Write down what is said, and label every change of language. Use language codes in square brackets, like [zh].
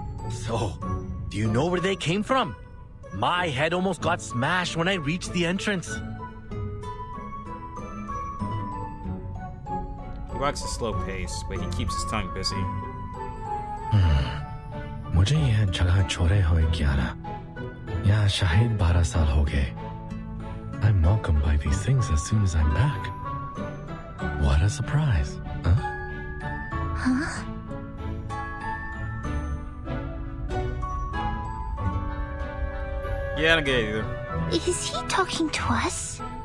[en] So, do you know where they came from? My head almost got smashed when I reached the entrance. He walks a slow pace, but he keeps his tongue busy. [hi] मुझे यह जगह छोड़े हुए 11, यहाँ शायद 12 साल हो गए. [en] I'm welcomed by these things as soon as I'm back. What a surprise, huh? Huh? Yeah, I don't get it. Is he talking to us?